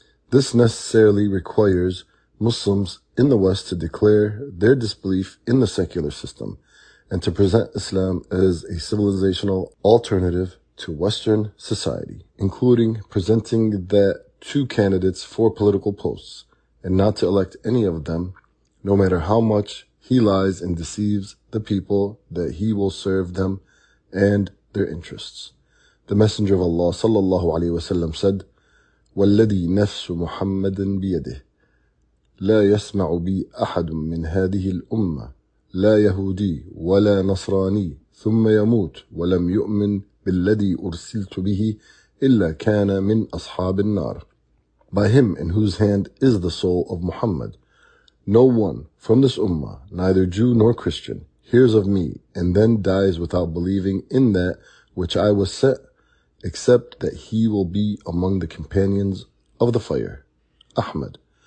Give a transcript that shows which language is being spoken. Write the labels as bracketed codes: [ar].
[en] This necessarily requires Muslims in the West to declare their disbelief in the secular system and to present Islam as a civilizational alternative to Western society, including presenting that to candidates for political posts and not to elect any of them, no matter how much he lies and deceives the people, that he will serve them and their interests. The Messenger of Allah sallallahu alayhi wa sallam said, [ar] وَالَّذِي نَفْسُ مُحَمَّدٍ بِيَدِهِ لَا يَسْمَعُ بِي أَحَدٌ مِّنْ هَذِهِ الْأُمَّةِ لا يهودي ولا نصراني ثم يموت ولم يؤمن بالذي أرسلت به إلا كان من أصحاب النار. [en] By him in whose hand is the soul of Muhammad, no one from this ummah, neither Jew nor Christian, hears of me and then dies without believing in that which I was sent, except that he will be among the companions of the fire. Ahmad.